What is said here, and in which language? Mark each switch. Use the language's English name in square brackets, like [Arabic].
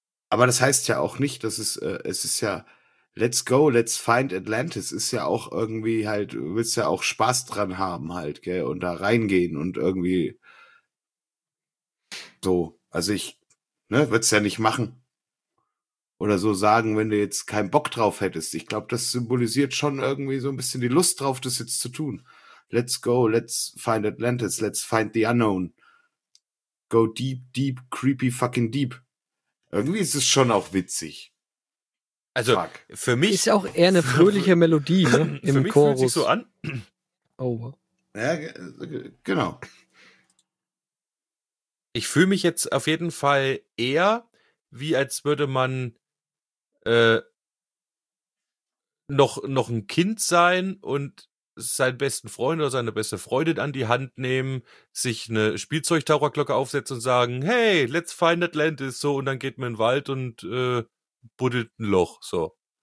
[German] Aber das heißt ja auch nicht, dass es ist ja [English] Let's go, let's find Atlantis, [German] ist ja auch irgendwie halt, du willst ja auch Spaß dran haben halt, gell, und da reingehen und irgendwie so, also ich, ne, würd's ja nicht machen oder so sagen, wenn du jetzt keinen Bock drauf hättest. Ich glaube, das symbolisiert schon irgendwie so ein bisschen die Lust drauf, das jetzt zu tun. [English] Let's go, let's find Atlantis, let's find the unknown. Go deep, deep, creepy, fucking deep. [German] Irgendwie ist es schon auch witzig. Also fuck. Für mich ist ja auch eher eine fröhliche Melodie, ne, im für mich [English] Chorus. [German] Fühlt sich so an. Oh. Ja, genau. Ich fühle mich jetzt auf jeden Fall eher wie als würde man noch ein Kind sein und seinen besten Freund oder seine beste Freundin an die Hand nehmen, sich eine Spielzeugtaucherglocke aufsetzen und sagen, [English] hey, let's find Atlantis, [German] so, und dann geht man in den Wald und buddelt ein Loch, so.